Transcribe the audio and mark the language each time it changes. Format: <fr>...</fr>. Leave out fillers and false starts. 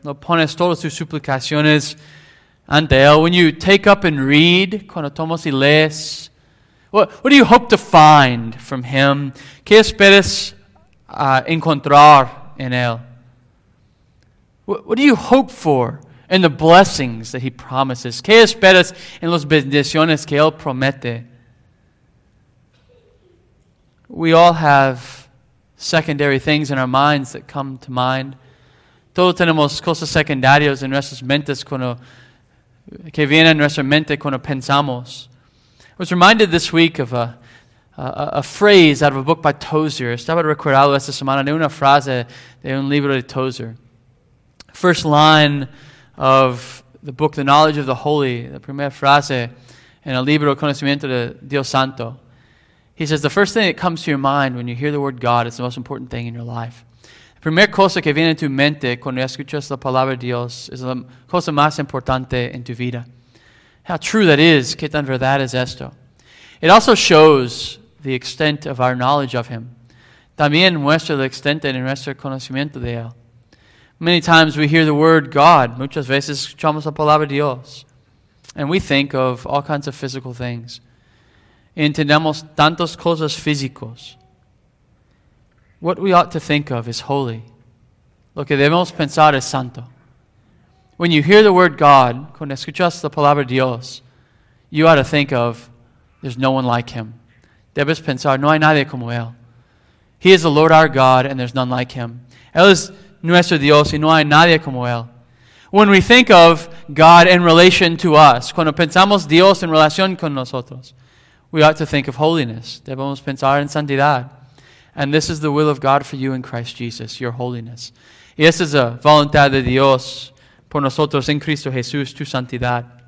<es>Lo pones todas tus suplicaciones ante él.</es> <en>When you take up and read, cuando tomas y lees, what do you hope to find from him?</en> <es>¿Qué esperas encontrar en él?</es> <en>What do you hope for in the blessings that he promises?</en> <es>¿Qué esperas en las bendiciones que él promete?</es> <en>We all have secondary things in our minds that come to mind.</en> <es>Todos tenemos cosas secundarias en nuestras mentes que vienen en nuestra mente cuando pensamos.</es> <en>I was reminded this week of a phrase out of a book by Tozer.</en> <es>Estaba recordado esta semana de una frase de un libro de Tozer.</es> <en>First line of the book, The Knowledge of the Holy, la primera frase en el libro Conocimiento de Dios Santo. He says, the first thing that comes to your mind when you hear the word God is the most important thing in your life.</en> <es>La primera cosa que viene a tu mente cuando escuchas la palabra de Dios es la cosa más importante en tu vida.</es> <en>How true that is, qué tan verdad es esto. It also shows the extent of our knowledge of him.</en> <es>También muestra la extente de nuestro conocimiento de él.</es> <en>Many times we hear the word God, muchas veces escuchamos la palabra de Dios, and we think of all kinds of physical things.</en> <es>Entendemos tantas cosas físicas.</es> <en>What we ought to think of is holy. Lo que debemos pensar es santo. When you hear the word God, cuando escuchas la palabra Dios, you ought to think of, there's no one like him. Debes pensar, no hay nadie como él. He is the Lord our God, and there's none like him.</en> <es>Él es nuestro Dios, y no hay nadie como él.</es> <en>When we think of God in relation to us, cuando pensamos Dios en relación con nosotros, we ought to think of holiness. Debemos pensar en santidad. And this is the will of God for you in Christ Jesus, your holiness.</en> <es>Y esa es la voluntad de Dios por nosotros en Cristo Jesús, tu santidad.</es>